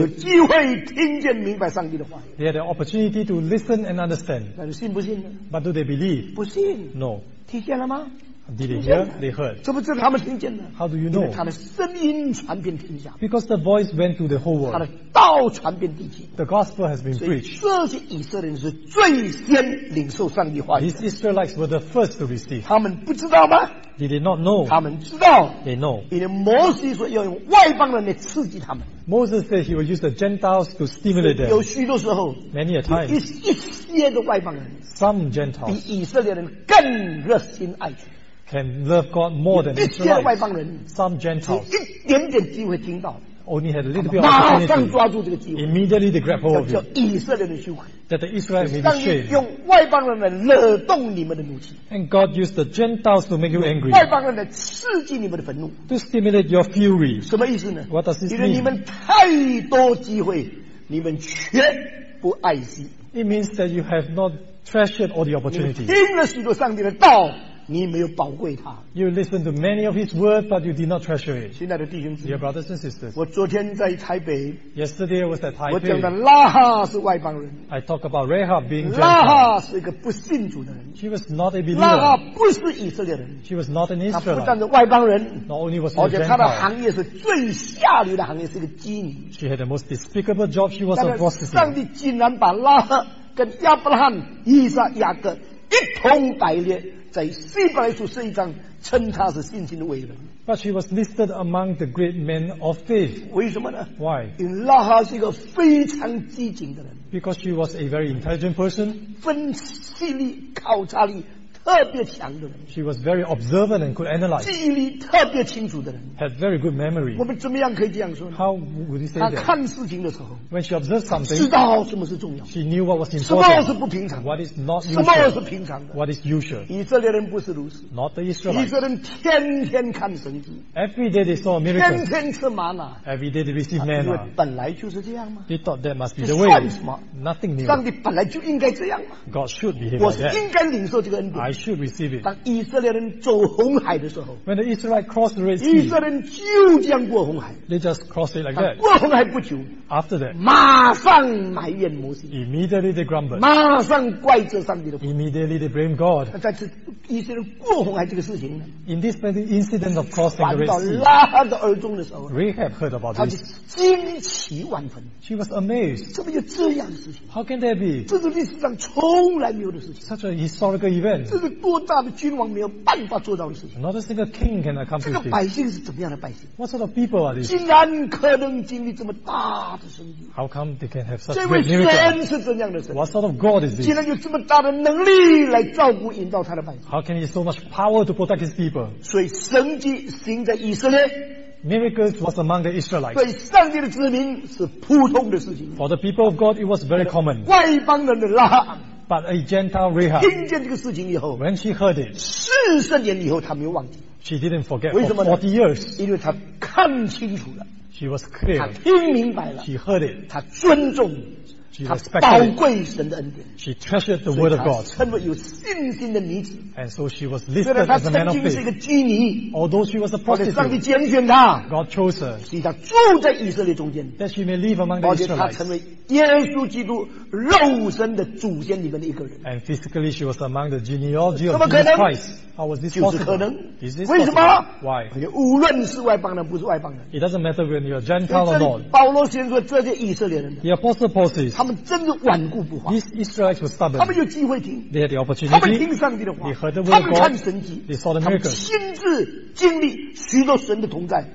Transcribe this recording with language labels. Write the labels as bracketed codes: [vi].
[zh] 有机会听见明白上帝的话。 [en] They had the opportunity to listen and understand. [zh] 那你信不信呢 [en] ？But do they believe? [zh] 不信。 [en] No. [zh] 听见了吗？ [en] Did they hear? They heard. [zh] 这不是他们听见的。 [en] How do you know? [zh] 因为他的声音传遍天下。 [en] Because the voice went to the whole world. [zh] 他的道传遍地极。 [en] The gospel has been preached. [zh] 所以这些以色列人是最先领受上帝话语的。 [en] These Israelites were the first to receive. [zh] 他们不知道吗？ [en] Did they not know? [zh] 他们知道。 [en] They know. [zh] 因为摩西说要用外邦人来刺激他们。 [en] Moses said he will use the Gentiles to stimulate them. [zh] 有许多时候。 [en] Many a time. [zh] 一些的外邦人。 [en] Some Gentiles. [zh] 比以色列人更热心爱主。 [en] Can love God more than Israelites. [zh] 一些外邦人 [en] some Gentiles, [zh] 一点点机会听到 [en] only had a little bit of opportunity. [zh] 马上抓住这个机会 [en] immediately they grab hold of it. [zh] 叫以色列的羞愧 [en] that the Israelites may be ashamed. [zh] 上帝用外邦人来惹动你们的怒气 [en] and God used the Gentiles to make you angry. [zh] 外邦人来刺激你们的愤怒 [en] to stimulate your fury. [zh] 什么意思呢 [en] what does this mean? [zh] 因为你们太多机会，你们却不爱惜 [en] it means that you have not treasured all the opportunities. [zh] 听了许多上帝的道。你没有宝贵他。 [en] You listened to many of his words, but you did not treasure it. [zh] 亲爱的弟兄姊妹 [en] ，Dear brothers and sisters, [zh] 我昨天在台北。 [en] Yesterday I was at Taipei. [zh] 我讲的拉哈是外邦人。 [en] I talk about Rahab being Gentile. [zh] 拉哈是一个不信主的人。 [en] She was not a believer. [zh] 拉哈不是以色列人。 [en] She was not an Israelite. [zh] 她不但是外邦人。 [en] Not only was she a Gentile. [zh] 而且她的行业是最下流的行业，是一个妓女。 [en] She had the most despicable job. She was a prostitute. [zh] 但是上帝竟然把拉哈跟亚伯拉罕、以撒、雅各一同排列。在希伯来书是一章称他是信心的伟人 [en] but she was listed among the great men of faith [zh] 为什么呢 [en] why [zh] 因为拉哈是一个非常机警的人 [en] because she was a very intelligent person [zh] 分析力考察力特别强的人 [en] she was very observant and could analyze [zh] 记忆力特别清楚的人 [en] had very good memory [zh] 我们怎么样可以这样说 [en] how would you say that [zh] 她看事情的时候 [en] when she observed something [zh] 知道什么是重要 [en] she knew what was important [zh] 什么是不平常 [en] what is not usual [zh] 什么是平常的 [en] what is usual [zh] 以色列人不是如此 [en] not the Israelites [zh] 以色列人天天看神迹 [en] every day they saw miracles [zh] 天天吃玛纳 [en] every day they received manna [zh] 因为本来就是这样吗 [en] they thought that must be the way [zh] 算什么 [en] nothing new [zh] 上帝本来就应该这样吗 [en] God should behave like that [zh] 我是应该领受这个恩典 [en] should receive it. [zh] 当以色列人走红海的时候 [en] ，When the Israelites crossed the Red Sea, [zh] 以色列人就这样过红海。 [en] They just crossed it like that. [zh] 过红海不久 [en] ，After that, [zh] 马上埋怨摩西。 [en] Immediately they grumbled. [zh] 马上怪责上帝的。 [en] Immediately they blame God. [zh] 在这以色列过红海这个事情呢 [en] ，In this incident of crossing the Red Sea, [zh] 传到拉哈的耳中的时候 [en] ，Rahab heard about this. [zh] 他就惊奇万分。 [en] She was amazed. [zh] 怎么有这样的事情 [en] ？How can there be? [zh] 这是历史上从来没有的事情。 [en] Such a historical event. [zh] 这是多大的君王没有办法做到的事情。 [en] Not a single king can accomplish this. [zh] 这个百姓是怎么样的百姓 [en] ？What sort of people are these? [zh] 竟然可能经历这么大的神迹。 [en] How come they can have such a miracle? [zh] 这位神是怎样的神 [en] ？What sort of God is this? [zh] 竟然有这么大的能力来照顾引导他的百姓 [en] ？How can he have so much power to protect his people? [zh] 所以神迹行在以色列。 [en] Miracles was among the Israelites. [zh] 对上帝的子民是普通的事情。 [en] For the people of God, it was very common. [zh] 外邦人的拉哈。 [en] But a Gentile Rahab. [zh] 听见这个事情以后。 [en] When she heard it. [zh] 40年以后，她没有忘记。 [en] She didn't forget for 40 years. [zh] 因为她看清楚了。 [en] She was clear. [zh] 她听明白了。 [en] She heard it. [zh] 她尊重。 [en] She respected. [zh] 她宝贵神的恩典。 [en] She treasured the word of God. [zh] 所以她称为有信心的女子。 [en] And so she was listed as a man of faith. [zh] 虽然她曾经是一个妓女。 [en] Although she was a prostitute. [zh] 上帝拣选她。 [en] God chose her. [zh] 使她住在以色列中间。 [en] That she may live among the Israelites. [zh] 而且她成为耶稣基督肉身的祖先里面的一个人。 [en] And physically she was among the genealogy of Jesus Christ. How was this possible? [zh] 就是可能。 [en] Is this [zh] possible? 为什么 [en] ？Why? [zh] 无论是外邦人不是外邦人。 [en] It doesn't matter when you're Gentile or not. [zh] 保罗先说这些以色列人。 [en] The apostle Paul says. [zh] 他们真的顽固不化。 [en] These Israelites were stubborn. [zh] 他们有机会听。 [en] They had the opportunity. [zh] 他们听上帝的话。 [en] They heard the word of God. [zh] 他们看神迹。 [en] They saw the miracle. [zh] 他们亲自经历许多神的同在。